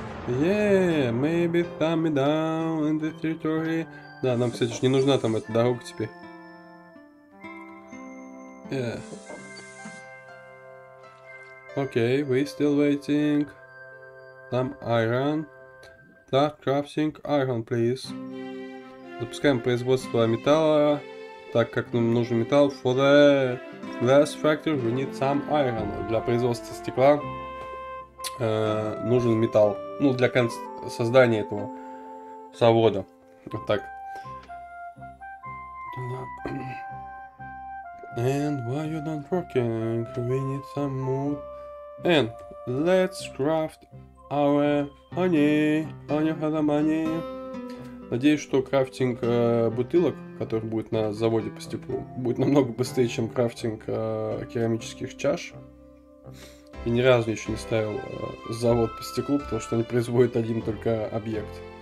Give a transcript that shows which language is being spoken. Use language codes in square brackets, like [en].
[en] Yeah, maybe thumb me down in the territory. [ru] Да, нам, кстати, не нужна там эта дорога теперь. [en] Yeah. Okay, we still waiting. Some iron. Start crafting iron, please. [ru] Запускаем производство металла, так как нам нужен металл. [en] For the glass factory, we need some iron. [ru] Для производства стекла нужен металл, ну, для создания этого завода, вот так. [en] And why you don't working? We need some wood. And let's craft our honey for the money. [ru] Надеюсь, что крафтинг бутылок, который будет на заводе по стеклу, будет намного быстрее, чем крафтинг керамических чаш. И ни разу еще не ставил завод по стеклу, потому что они производят один только объект.